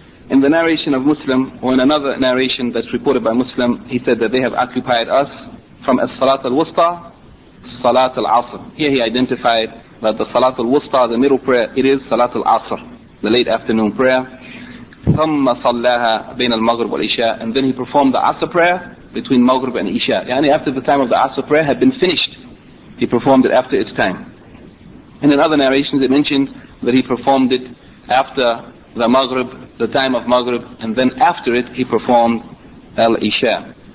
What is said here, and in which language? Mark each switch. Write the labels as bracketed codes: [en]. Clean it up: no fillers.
[en] In the narration of Muslim, or in another narration that's reported by Muslim, he said that they have occupied us from الصَّلَاةَ الْوُسْطَى, Salat al-Asr. Here he identified that the Salat al-Wusta, the middle prayer, it is Salat al-Asr, the late afternoon prayer. [ar] ثم صلاها بين المغرب والإشاء. [en] And then he performed the Asr prayer between Maghrib and Isha. Yani after the time of the Asr prayer had been finished, he performed it after its time. And in other narrations it mentioned that he performed it after the Maghrib, the time of Maghrib, and then after it he performed al-Isha.